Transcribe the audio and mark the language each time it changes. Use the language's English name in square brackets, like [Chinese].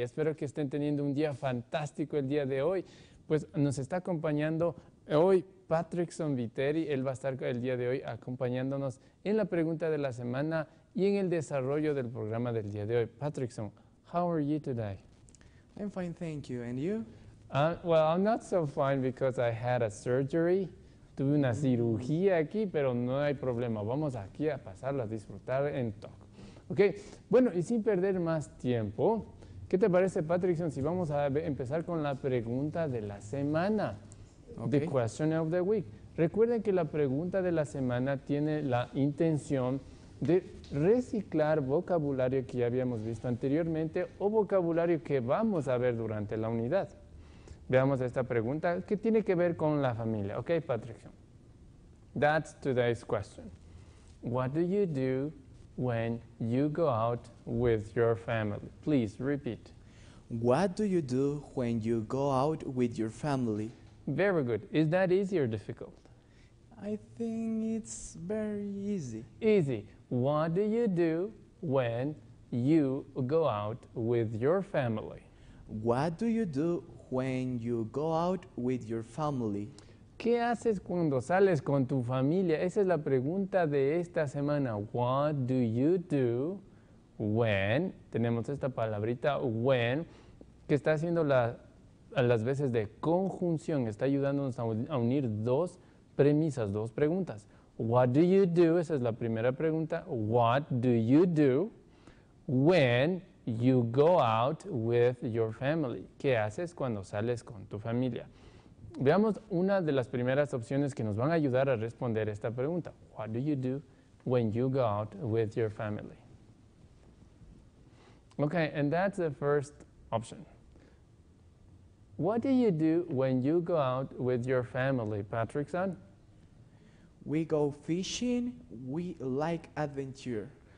[Spanish] Espero que estén teniendo un día fantástico el día de hoy. Pues nos está acompañando hoy Patrick Sonviteri. Él va a estar el día de hoy acompañándonos en la pregunta de la semana y en el desarrollo del programa del día de hoy. [English] Patrick Son, how are you today? I'm fine, thank you. And you? Well, I'm not so fine because I had a surgery. [Spanish] Tuve una cirugía aquí, pero no hay problema. Vamos aquí a pasarla, a disfrutar en talk. Ok, bueno, y sin perder más tiempo, ¿qué te parece, Patrickson, si vamos a empezar con la pregunta de la semana? Okay. [English] The question of the week. [Spanish] Recuerden que la pregunta de la semana tiene la intención de reciclar vocabulario que ya habíamos visto anteriormente o vocabulario que vamos a ver durante la unidad. Veamos esta pregunta que tiene que ver con la familia. [English] Okay, Patricio. That's today's question. What do you do when you go out with your family? Please repeat. What do you do when you go out with your family? Very good. Is that easy or difficult? I think it's very easy. Easy. What do you do when you go out with your family? What do you do when you go out with your family? [Spanish] ¿Qué haces cuando sales con tu familia? Esa es la pregunta de esta semana. [English] What do you do when? [Spanish] Tenemos esta palabrita when, que está haciendo las veces de conjunción. Está ayudándonos a unir dos premisas, dos preguntas. [English] What do you do? [Spanish] Esa es la primera pregunta. [English] What do you do when you go out with your family? [Spanish] ¿Qué haces cuando sales con tu familia? Veamos una de las primeras opciones que nos van a ayudar a responder esta pregunta. [English] What do you do when you go out with your family? Okay, and that's the first option. What do you do when you go out with your family, Patrickson? We go fishing. We like adventure.